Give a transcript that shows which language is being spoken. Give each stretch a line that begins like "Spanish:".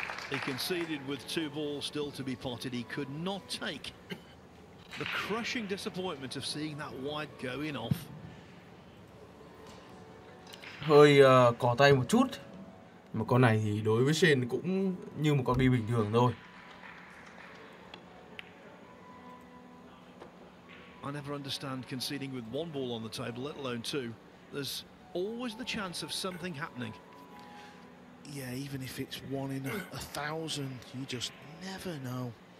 English: He conceded with two balls still to be potted. He could not take the crushing disappointment of seeing that wide going off.
Vietnamese: Hơi cỏ tay một chút. Mà con này thì đối với Shane cũng như một con bi bình thường thôi.
English: I never understand conceding with one ball on the table, let alone two. There's always the chance of something happening. Yeah, even if it's one in a thousand, you just never know.